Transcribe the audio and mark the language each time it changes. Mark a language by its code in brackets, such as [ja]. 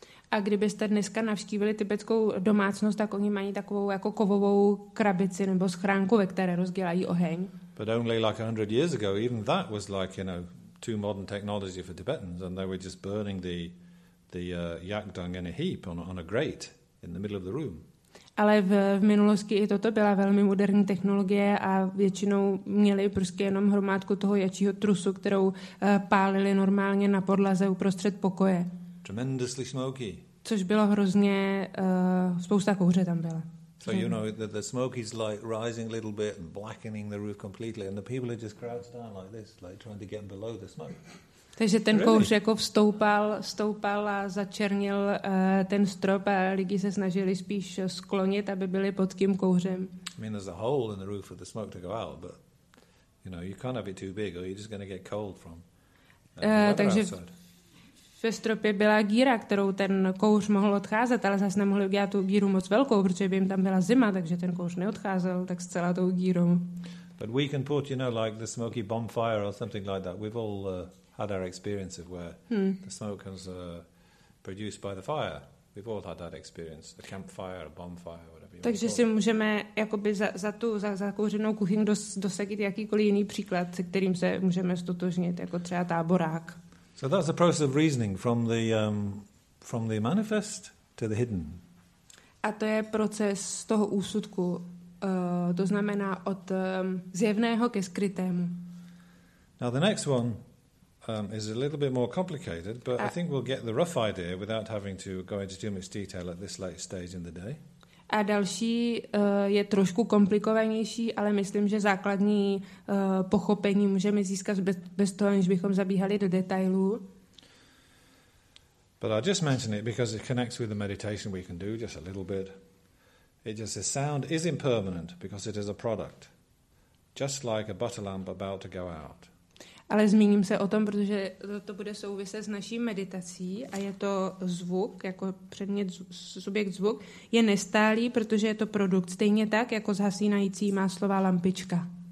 [cs] A kdybyste dneska navštívili tibetskou domácnost, tak oni mají takovou jako kovovou krabici nebo schránku, ve které rozdělají oheň. [en] But only like 100 years ago, even that was like, you know, too modern technology for Tibetans, and they were just burning the yak dung in a heap on a grate in the middle of the room. [cs] Ale v minulosti i toto byla velmi moderní technologie a většinou měli prostě jenom hromádku toho jačího trusu, kterou pálili normálně na podlaze uprostřed pokoje. [en] Tremendously smoky. [cs] Což bylo hrozně, spousta kouře tam byla. [en] So you know the smoke is like rising a little bit and blackening the roof completely, and the people are just crouched down like this, like trying to get below the smoke. [cs] Takže ten kouř jako vstoupal a začernil ten strop a lidi se snažili spíš sklonit, aby byli pod tím kouřem. [en] I mean, there's a hole in the roof for the smoke to go out, but you know you can't have it too big, or you're just going to get cold from the weather outside. [cs] Ve stropě byla díra, kterou ten kouř mohl odcházet, ale zase nemohli udělat tu díru moc velkou, protože by jim tam byla zima, takže ten kouř neodcházel tak s celou tou dírou. [en] But we can put, you know, like the smoky bonfire or something like that. We've all had our experiences where the smoke is produced by the fire. We've all had that experience, a campfire, a bonfire, whatever. [cs] Takže si můžeme jakoby za zakouřenou kuchyni dosadit jakýkoliv jiný příklad, se kterým se můžeme ztotožnit, jako třeba táborák. [en] So that's the process of reasoning from the manifest to the hidden. [cs] A to je proces toho úsudku, to znamená od zjevného ke skrytému. [en] Now the next one is a little bit more complicated, but I think we'll get the rough idea without having to go into too much detail at this late stage in the day. [cs] A další je trošku komplikovanější, ale myslím, že základní pochopení můžeme získat bez toho, než bychom zabíhali do detailů. [en] But I'll just mention it because it connects with the meditation we can do just a little bit. It just says sound is impermanent because it is a product, just like a butter lamp about to go out. [cs] Ale zmíním se o tom, protože to bude souviset s naší meditací a je to zvuk, jako předmět, subjekt zvuk, je nestálý, protože je to produkt, stejně tak, jako zhasínající máslová lampička.